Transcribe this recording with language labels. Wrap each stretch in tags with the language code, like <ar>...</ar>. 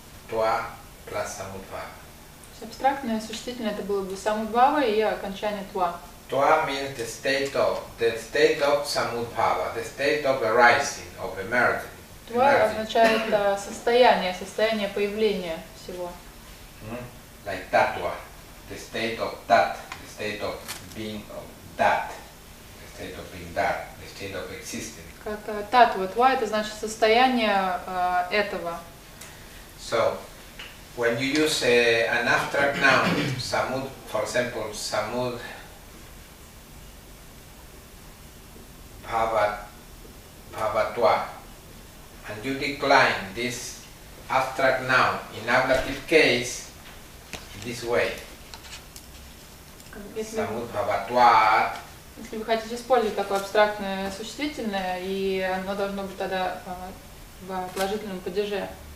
<sa>Tva plus samut bhava.</sa> <ru>Абстрактное существительное это было бы самудбава и окончание тва.</ru> <en>Тва means the state of самудбава, the state of arising, of emerging.</en> <ru>Тва означает состояние появления всего.</ru> <en>Like that tva, the state of that, the state of being of that, the state of being that, the state of existing.</en> <ru>Как татва, тва это значит состояние этого.</ru> <en>So, when you use an abstract noun, samud, for example, samud bhavatva, and you decline this abstract noun in ablative case in this way, samud bhavatva.</en> <ru>Если вы хотите использовать такое абстрактное существительное, и оно должно быть тогда в отложительном падеже.</ru>